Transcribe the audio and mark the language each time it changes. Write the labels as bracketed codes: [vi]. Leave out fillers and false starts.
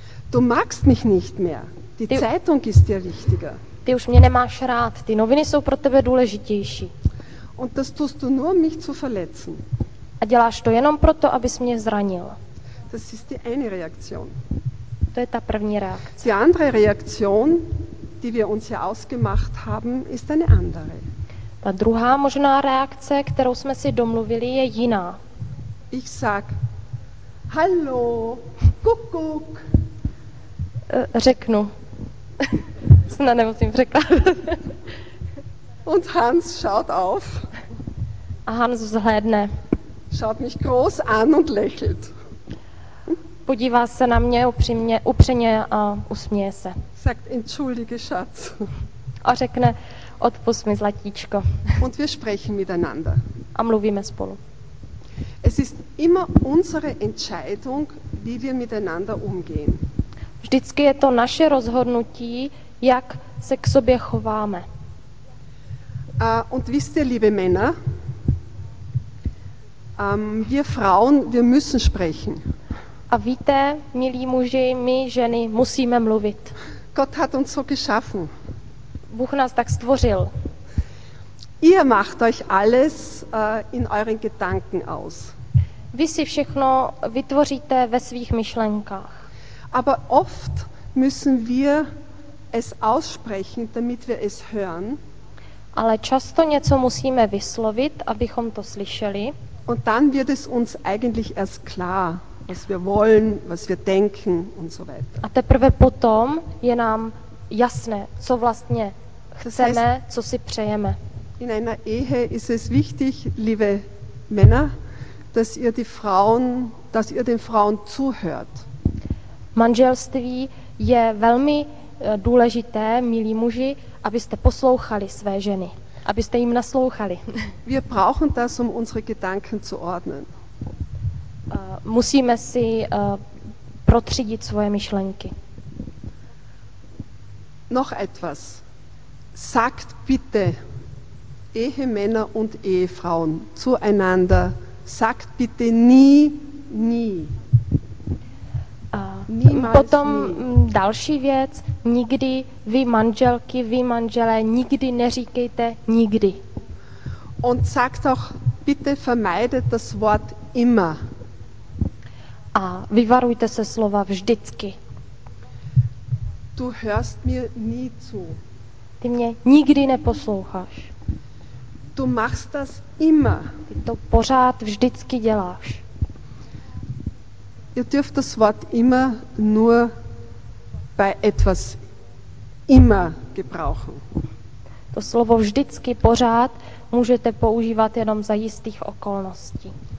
[de] Du magst mich nicht mehr. Die Zeitung ist dir wichtiger. [cs] Ty už mě nemáš rád. Ty noviny jsou pro tebe důležitější. [de] Und das tust du nur, mich zu verletzen. [cs] A děláš to jenom proto, abys mě zranil. [de] Das ist die eine Reaktion. [cs] To je ta první reakce. [de] Die andere Reaktion, die wir uns hier ausgemacht haben, ist eine andere. [cs] Ta druhá možná reakce, kterou jsme si domluvili, je jiná. [de] Ich sag, hallo, kuckuck. [cs] Řeknu. Snad nemusím překládat. [de] Und Hans schaut auf. [cs] A Hans vzhlédne. [de] Schaut mich groß an und lächelt. [cs] Podívá se na mě upřímně a usměje se. [de] Sagt, entschuldige, Schatz. [cs] A řekne, odpusť mi, zlatíčko. [de] Und wir sprechen miteinander. [cs] A mluvíme spolu. [de] Es ist immer unsere Entscheidung, wie wir miteinander umgehen. [cs] Vždycky je to naše rozhodnutí, jak se k sobě chováme. [de] Und wisst ihr, liebe Männer, wir Frauen, wir müssen sprechen. [cs] A víte, milí muži, my ženy musíme mluvit. [de] Gott hat uns so geschaffen. [cs] Bůh nás tak stvořil. [de] Ihr macht euch alles in euren Gedanken aus. [cs] Vy si všechno vytvoříte ve svých myšlenkách. [de] Aber oft müssen wir es aussprechen, damit wir es hören. [cs] Ale často něco musíme vyslovit, abychom to slyšeli. [de] Und dann wird es uns eigentlich erst klar, was wir wollen, was wir denken und so weiter. [cs] A teprve potom je nám jasné, co vlastně chceme, [de] das heißt, [cs] co si přejeme. [de] In einer Ehe ist es wichtig, liebe Männer, dass ihr die Frauen, dass ihr den Frauen zuhört. [cs] Manželství je velmi důležité, milí muži, abyste poslouchali své ženy, abyste jim naslouchali. [de] Wir brauchen das, um unsere Gedanken zu ordnen. [cs] Musíme si protřídit svoje myšlenky. [de] Noch etwas. Sagt bitte Ehemänner und Ehefrauen zueinander, sagt bitte nie, nie. [cs] Potom [de] nie. [cs] Další věc, nikdy, vy manželky, vy manželé, nikdy neříkejte nikdy. [de] Und sagt auch, bitte vermeidet das Wort immer. [cs] A vyvarujte se slova vždycky. [de] Du hörst mir nie zu. [cs] Ty mě nikdy neposloucháš. [de] Du machst das immer. [cs] Ty to pořád vždycky děláš. [de] Ihr dürft das Wort immer nur bei etwas immer gebrauchen. [cs] To slovo vždycky pořád můžete používat jenom za jistých okolností.